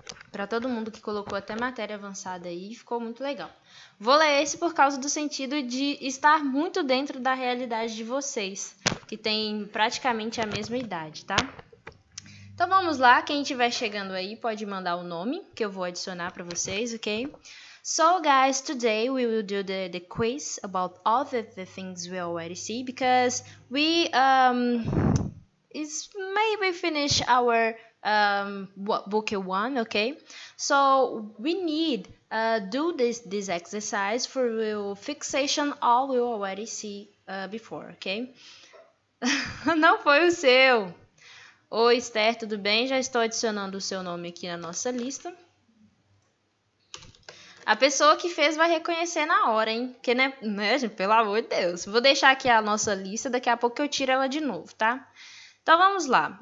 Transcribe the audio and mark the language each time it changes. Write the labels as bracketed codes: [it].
[pt] Para todo mundo que colocou até matéria avançada aí, ficou muito legal. Vou ler esse por causa do sentido de estar muito dentro da realidade de vocês, que tem praticamente a mesma idade, tá? Então vamos lá, quem estiver chegando aí pode mandar o nome, que eu vou adicionar para vocês, ok? [en] So guys, today we will do the quiz about all the things we already see, because we is maybe finish our book one, okay? So we need do this exercise for your fixation all we already see before, okay? [pt] Não foi o seu. Oi, Esther, tudo bem? Já estou adicionando o seu nome aqui na nossa lista. A pessoa que fez vai reconhecer na hora, hein? Porque, né, gente? Pelo amor de Deus. Vou deixar aqui a nossa lista, daqui a pouco eu tiro ela de novo, tá? Então, vamos lá.